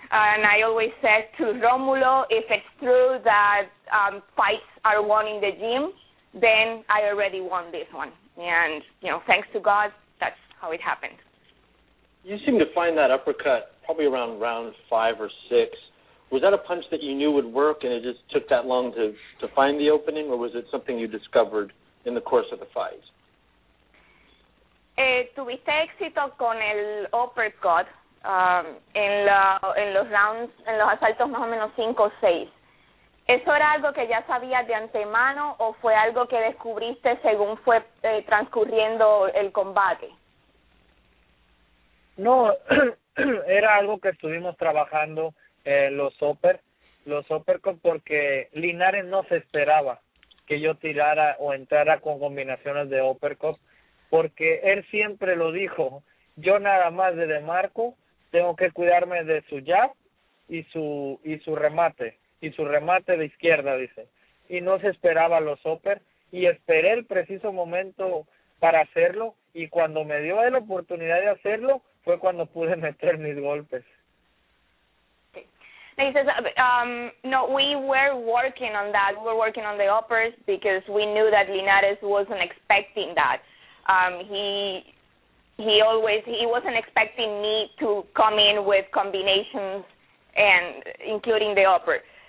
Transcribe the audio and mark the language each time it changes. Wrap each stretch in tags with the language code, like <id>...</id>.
<en>And I always said to Romulo, if it's true that fights are won in the gym, then I already won this one. And you know, thanks to God, that's how it happened. You seem to find that uppercut probably around round five or six. Was that a punch that you knew would work and it just took that long to find the opening, or was it something you discovered in the course of the fight?</en> <es>Tuviste éxito con el uppercut en los asaltos más o menos 5 o 6. ¿Eso era algo que ya sabías de antemano o fue algo que descubriste según fue transcurriendo el combate? No, era algo que estuvimos trabajando los uppercuts, porque Linares no se esperaba que yo tirara o entrara con combinaciones de uppercuts, porque él siempre lo dijo, yo nada más de demarco, tengo que cuidarme de su jab y su remate de izquierda, dice. Y no se esperaba los upper, y esperé el preciso momento para hacerlo, y cuando me dio la oportunidad de hacerlo, fue cuando pude meter mis golpes.</es> <en>He says, no, we were working on that. We were working on the uppers because we knew that Linares wasn't expecting that. He wasn't expecting me to come in with combinations and including the upper.</en>